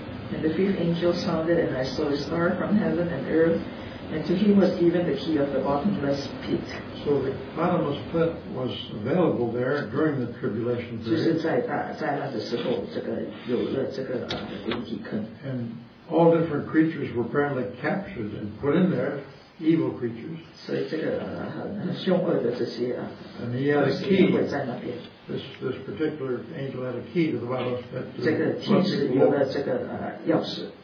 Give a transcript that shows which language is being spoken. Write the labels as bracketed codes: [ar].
[en] And the fifth angel sounded, and I saw a star from heaven and earth, and to him was given the key of the bottomless pit. So the bottomless pit was available there during the tribulation period. And all different creatures were apparently captured and put in there. Evil creatures. [zh] 所以这个很凶恶的这些啊，都是因为在那边。 [en] This particular angel had a key to the bottomless pit. [zh] 这个天使有了这个钥匙。